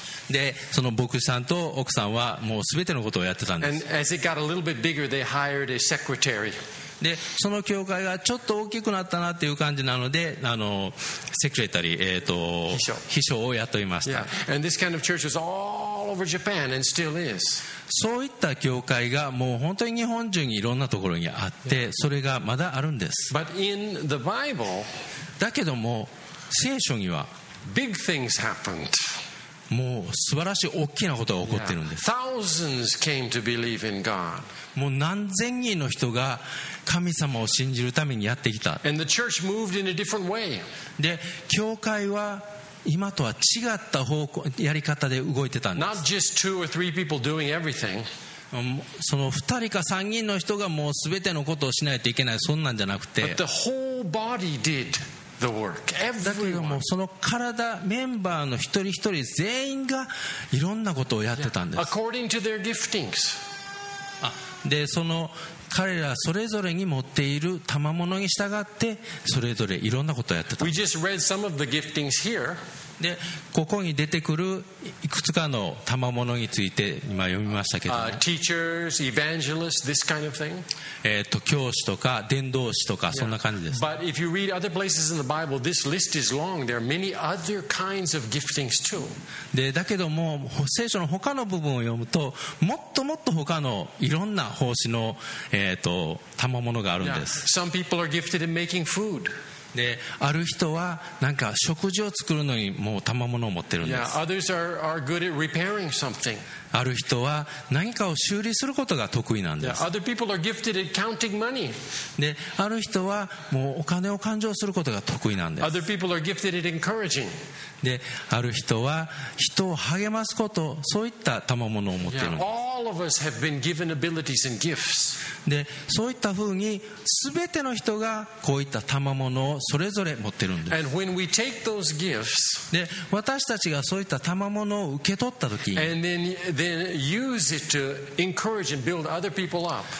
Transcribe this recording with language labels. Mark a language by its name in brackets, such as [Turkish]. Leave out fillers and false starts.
[Japanese] でその牧師さんと奥さんはもう全てのことをやってたんです。 [English] And as it got a little bit bigger, they hired a secretary. [Japanese] でその教会がちょっと大きくなったなっていう感じなのでセクレタリー、秘書を雇いました。 [English] Yeah. And this kind of church was all over Japan and still is. [Japanese] そういった教会がもう本当に日本中にいろんなところにあって、yeah. それがまだあるんです。 [English] But in the Bible, [Japanese] だけども聖書には [English] big things happened. [Japanese] もう素晴らしい大きなことが起こっているんです。 [English] yeah. Thousands came to believe in God. [Japanese] もう何千人の人が神様を信じるためにやってきた。 [English] And the church moved in a different way. [Japanese] で教会は今とは違った方向やり方で動いてたんです。 [English] Not just two or three people doing everything. [Japanese] その2人か3人の人がもう全てのことをしないといけない、そんなんじゃなくて、 [English] But the whole body did the work. [Japanese] だけどもその体メンバーの一人一人全員がいろんなことをやってたんです。 [English] According to their giftings. [Japanese] でその彼らそれぞれに持っている賜物に従ってそれぞれいろんなことをやってた。 [English] We just read some of the giftings here. [Japanese] でここに出てくるいくつかの賜物について今読みましたけど、 [English] teachers, evangelists, this kind of thing. [Japanese] 教師とか伝道師とか、yeah. そんな感じです。 [English] But if you read other places in the Bible, this list is long. There are many other kinds of giftings too. [Japanese] でだけども聖書の他の部分を読むともっともっと他のいろんな奉仕の、賜物があるんです。 [English] Now, some people are gifted in making food. [Japanese] で、ある人はなんか食事を作るのにもう賜物を持ってるんです。 [English] Yeah, others are good at repairing something. [Japanese] ある人は何かを修理することが得意なんです。 [English] Yeah, other people are gifted at counting money. [Japanese] で、ある人はもうお金を勘定することが得意なんです。 [English] Other people are gifted at encouraging. [Japanese] で、ある人は人を励ますこと、そういった賜物を持ってるんです。 [English] Yeah, all of us have been given abilities and gifts. [Japanese] でそういったふうに全ての人がこういった賜物をそれぞれ持ってるんです。 [English] And when we take those gifts, [Japanese] で私たちがそういった賜物を受け取った時 [English] and then use it to encourage and build other people up.